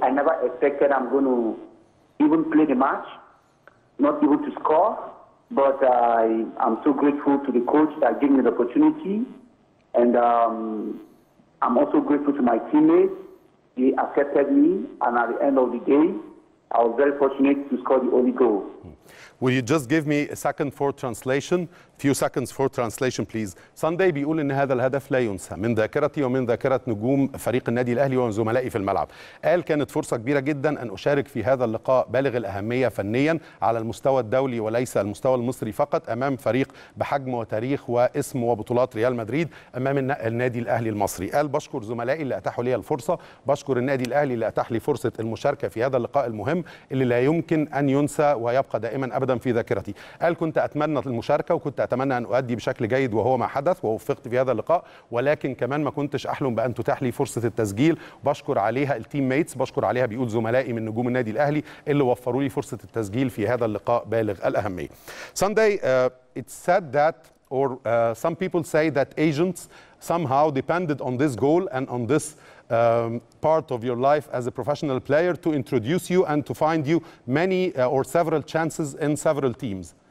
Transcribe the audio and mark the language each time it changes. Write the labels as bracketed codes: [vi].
[en] I never expected I'm going to even play the match, not able to score, but I'm so grateful to the coach that gave me the opportunity, and I'm also grateful to my teammates. They accepted me, and at the end of the day, I was very fortunate to score the only goal. Will you just give me a second for translation? Few seconds for translation, please. [ar] صنداي بيقول إن هذا الهدف لا ينسى من ذاكرتي ومن ذاكرة نجوم فريق النادي الأهلي وزملائي في الملعب. قال كانت فرصة كبيرة جدا أن أشارك في هذا اللقاء بالغ الأهمية فنيا على المستوى الدولي وليس المستوى المصري فقط، أمام فريق بحجم وتاريخ واسم وبطولات ريال مدريد، أمام النادي الأهلي المصري. قال بشكر زملائي اللي أتاحوا لي الفرصة، بشكر النادي الأهلي اللي أتاح لي فرصة المشاركة في هذا اللقاء المهم اللي لا يمكن أن ينسى ويبقى دائما أبدا في ذاكرتي. قال كنت أتمنى المشاركة وكنت أتمنى أن أؤدي بشكل جيد وهو ما حدث ووفقت في هذا اللقاء، ولكن كمان ما كنتش أحلم بأن تتاح لي فرصة التسجيل. بشكر عليها التيم ميتس، بشكر عليها بيقول زملائي من نجوم النادي الأهلي اللي وفروا لي فرصة التسجيل في هذا اللقاء بالغ الأهمية. [en] Sunday, it's said that or some people say that agents somehow depended on this goal and on this part of your life as a professional player to introduce you and to find you many or several chances in several teams.